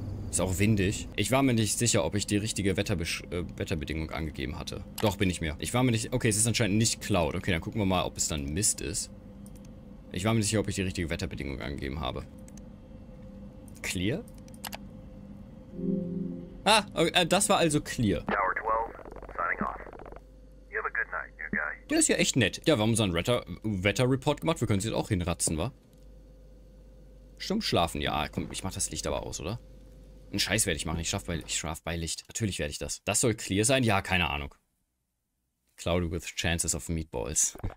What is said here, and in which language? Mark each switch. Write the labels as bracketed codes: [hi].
[de] Ist auch windig. Ich war mir nicht sicher, ob ich die richtige Wetterbedingung angegeben hatte. Doch, bin ich mir. Ich war mir nicht... Okay, es ist anscheinend nicht cloud. Okay, dann gucken wir mal, ob es dann Mist ist. Ich war mir nicht sicher, ob ich die richtige Wetterbedingung angegeben habe. [en] Clear? [de] Ah, okay, das war also clear. [en] Tower 12, signing off. You have a good night, new guy. [de] Der ist ja echt nett. Ja, wir haben unseren Wetter-Report gemacht. Wir können es jetzt auch hinratzen, wa? Stumm schlafen. Ja, komm, ich mach das Licht aber aus, oder? Einen Scheiß werde ich machen. Ich schlaf bei Licht. Natürlich werde ich das. Das soll clear sein? Ja, keine Ahnung. [en] Cloudy with chances of meatballs.